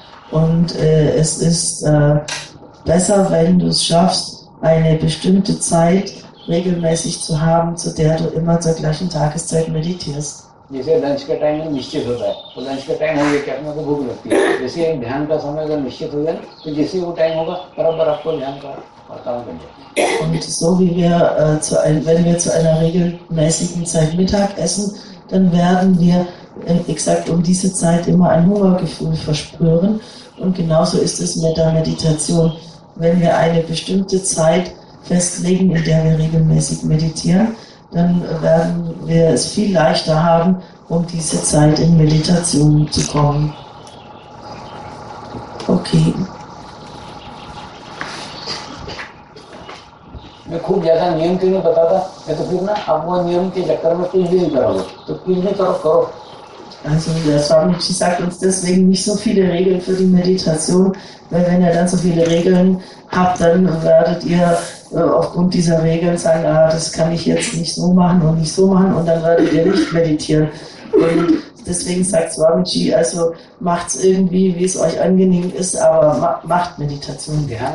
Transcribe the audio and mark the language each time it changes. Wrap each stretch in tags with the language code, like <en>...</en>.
<de>Und es ist besser, wenn du es schaffst, eine bestimmte Zeit regelmäßig zu haben, zu der du immer zur gleichen Tageszeit meditierst.</de> <hi>जैसे lunch का time निश्चित होता है तो lunch का time हो गया क्या आपको भूख लगती है जैसे एक ध्यान का समय अगर निश्चित हो जाए तो जैसे वो टाइम होगा बराबर आपको ध्यान का काम बन जाएगा.</hi> <de>Und so wie wir wenn wir zu einer regelmäßigen Zeit Mittag essen, dann werden wir exakt um diese Zeit immer ein Hungergefühl verspüren. Und genauso ist es mit der Meditation. Wenn wir eine bestimmte Zeit festlegen, in der wir regelmäßig meditieren, dann werden wir es viel leichter haben, um diese Zeit in Meditation zu kommen. Okay.</de> <hi>मैं खूब ज्यादा नियम क्यों नहीं बताता मैं तो फिर ना अब वो नियम के चक्कर में कुछ भी नहीं करोगे तो कुछ भी करो करो.</hi> <de>Also der Swamiji sagt uns deswegen nicht so viele Regeln für die Meditation, weil wenn ihr dann so viele Regeln habt, dann werdet ihr aufgrund dieser Regeln sagen, ah, das kann ich jetzt nicht so machen und nicht so machen, und dann werdet ihr nicht meditieren. Und deswegen sagt Swamiji, also macht's irgendwie, wie es euch angenehm ist, aber macht Meditation.</de>